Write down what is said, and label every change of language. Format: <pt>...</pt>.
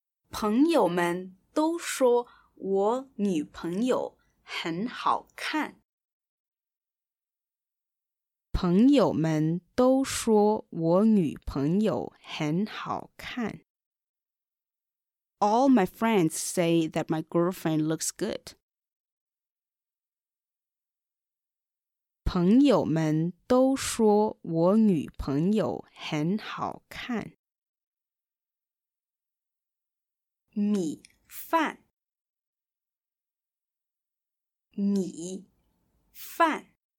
<zh>朋友们都说我女朋友很好看。朋友们都说我女朋友很好看。</zh> <en>All my friends say that my girlfriend looks good.</en> <zh>朋友们都说我女朋友很好看。米饭。米饭。</zh>